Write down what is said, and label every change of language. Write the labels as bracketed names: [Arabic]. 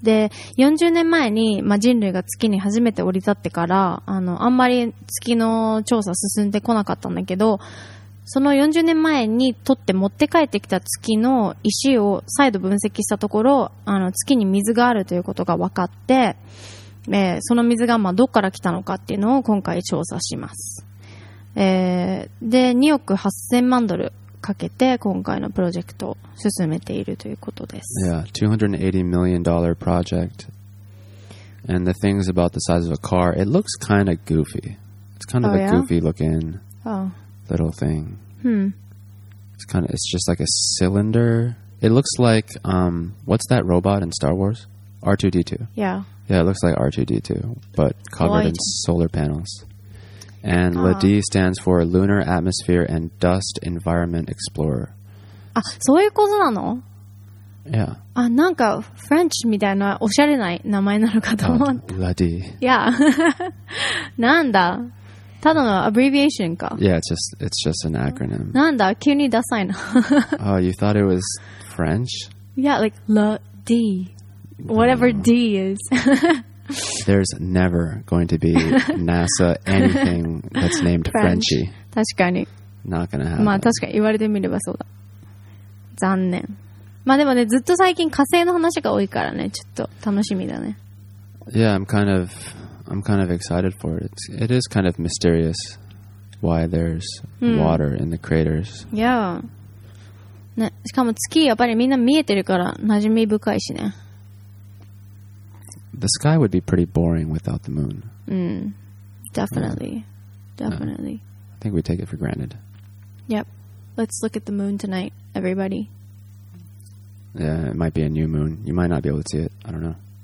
[Japanese] で、40年前に、まあ、人類が月に初めて降り立ってから、あんまり月の調査進んでこなかったんだけど、その40年前に取って持って帰ってきた月の石を再度分析したところ、月に水があるということが分かって、その水がまあどこから来たのかっていうのを今回調査します。で、2億8000万ドル。かけて今回のプロジェクトを進めているということです。 [English] Yeah, $280 million project. And the thing's about the size of a car, it looks kind of goofy. It's kind of a goofy looking little thing. It's just like a cylinder. It looks like, what's that robot in Star Wars? R2-D2. Yeah, it looks like R2-D2, but covered in solar panels. And LADEE stands for Lunar Atmosphere and Dust Environment Explorer. [Japanese] あ、そういうことなの? [English] Yeah. [Japanese] あ、なんかフレンチみたいなおしゃれな名前なのかと思った。 [English] LADEE. Yeah. [Japanese] なんだ? ただのアブリビエーションか。 [English] Yeah, it's just an acronym. [Japanese] なんだ?急にダサいな。 [English] Oh, you thought it was French? Yeah, like LADEE. Whatever D is. There's never going to be NASA anything that's named Frenchy. [Japanese] 確かに。 [English] Not gonna happen. [Japanese] まあ確かに言われてみればそうだ。残念。まあでもね、ずっと最近火星の話が多いからね、ちょっと楽しみだね。 [English] Yeah, I'm kind of excited for it. It is kind of mysterious why there's water in the craters. Yeah. [Japanese] ね、しかも月やっぱりみんな見えてるから馴染み深いしね。 [English] The sky would be pretty boring without the moon. Definitely. definitely. No. I think we take it for granted. Yep. Let's look at the moon tonight, everybody. Yeah, it might be a new moon. You might not be able to see it. I don't know.